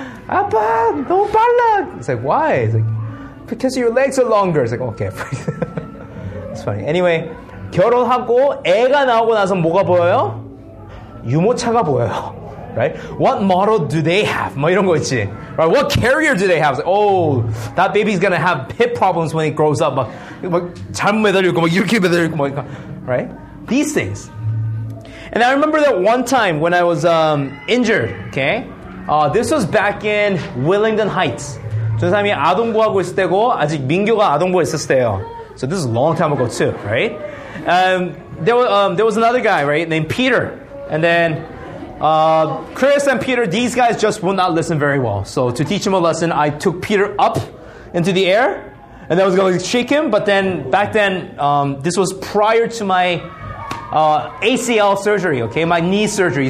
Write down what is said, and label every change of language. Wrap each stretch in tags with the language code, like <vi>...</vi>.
<ko>아빠, 너무 빨라.</ko> <en>It's like, why? It's like, because your legs are longer. It's like, okay. It's funny.</en> <ko>Anyway, 결혼하고 애가 나오고 나서 뭐가 보여요? 유모차가 보여요.</ko> <en>Right? What model do they have?</en> <ko>뭐 이런 거 있지.</ko> <en>Right? What carrier do they have? It's like, oh, that baby's going to have hip problems when it grows up.</en> <ko>막 잠 매달리고, 막 이렇게 매달리고, 막.</ko> <en>Right? These things. And I remember that one time when I was injured, okay? This was back in Willingdon Heights.</en> <ko>저 사람이 아동부하고 있을 때고 아직 민규가 아동부에 있었을 때요.</ko> <en>So this is a long time ago too, right? There was another guy, right, named Peter. And then Chris and Peter, these guys just will not listen very well. So to teach him a lesson, I took Peter up into the air and I was going to shake him. But then back then, this was prior to my ACL surgery, okay, my knee surgery.</en>